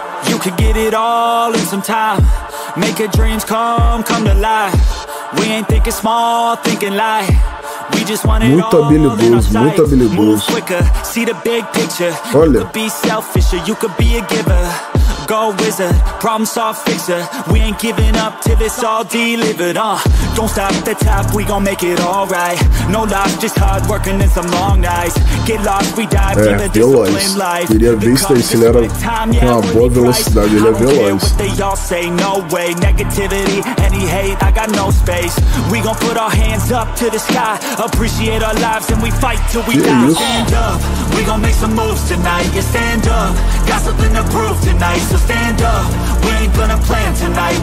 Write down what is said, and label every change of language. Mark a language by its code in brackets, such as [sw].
[en] You could get it all in some time. Make your dreams come to life. We ain't thinking small, thinking light. We just want it [pt] muito habilidoso, muito habilidoso. [en] Quicker, see the big picture. [pt] Olha. [en] Be selfish, you could be a giver. Go wizard, problem solve fixer. We ain't giving up till it's all delivered. Don't stop at the top, we gon' make it all right. No loss, just hard working in some long nights. Get lost, we dive to the discipline life. [pt] Queria ver isso aí, se ele era com uma boa velocidade, ele é veloz. [en] What they all say, no way. Negativity, any hate, I got no space. We gon' put our hands up to the sky. Appreciate our lives and we fight till we die. Stand up, we gon' make some moves tonight. Yeah, stand up, got something to prove tonight. So stand up, we ain't gonna plan tonight.